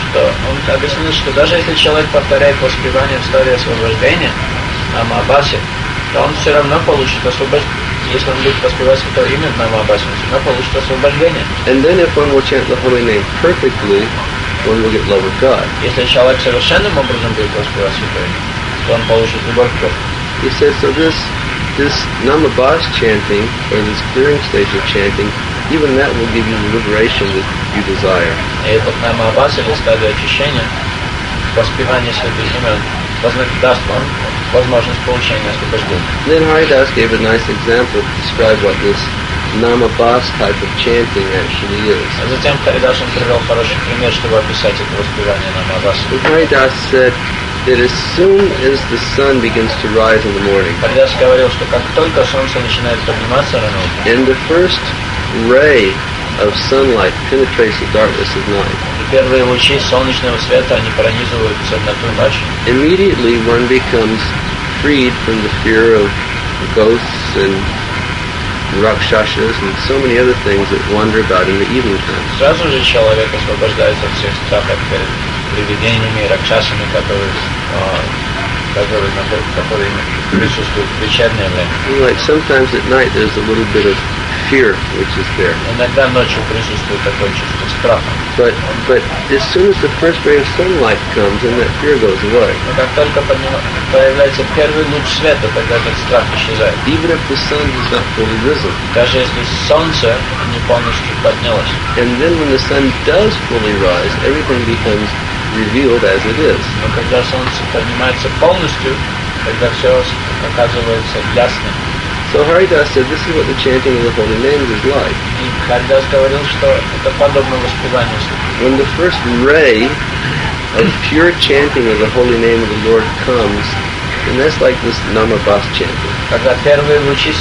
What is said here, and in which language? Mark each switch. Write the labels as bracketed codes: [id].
[ru] Что он объяснил, что даже если человек повторяет воспевание в стадии освобождения, Намабасе, то он все равно получит освобождение. Если он будет воспевать святое имя Намабасе, он все равно получит освобождение. [en] And then if one will chant the holy name perfectly, one will get love of God. [ru] Если человек совершенным образом будет воспевать святое имя, то он получит любовь к Богу. [en] He says, so this Namabhas chanting, or this clearing stage of chanting, even that will give you the liberation that you desire. [ru] Этот намабас или стадия очищения, воспевание святых имен, даст вам возможность получения освобождения. [en] Then Haridasa gave a nice example to describe what this namabas type of chanting actually is. [ru] А затем Haridasa привел хороший пример, чтобы описать это воспевание намабас. [en] Haridasa said that as soon as the sun begins to rise in the morning, [ru] Haridasa говорил, что как только солнце начинает подниматься рано утром, [en] and the first ray of sunlight penetrates the darkness of night. [ru] Первые лучи солнечного света, они пронизывают темноту ночи. [en] Immediately one becomes freed from the fear of ghosts and rakshasas and so many other things that wander about in the evening time. [ru] Сразу же человек освобождается от всех страхов перед привидениями, ракшасами, которые присутствуют в вечернее время. [en] Like sometimes at night there's a little bit of fear which is there. [ru] Иногда ночью присутствует такое чувство страха. [en] But as soon as the first ray of sunlight comes, and that fear goes away. [ru] Но как только появляется первый луч света, тогда этот страх исчезает. [en] Even if the sun has not fully risen. [ru] Даже если солнце не полностью поднялось. [en] And then when the sun does fully rise, everything becomes revealed as it is. [ru] Но когда солнце поднимается полностью, тогда все оказывается ясным. [en] So Haridasa said, this is what the chanting of the holy name is like. When the first ray of pure chanting of the holy name of the Lord comes, and that's like this Namabhas chanting.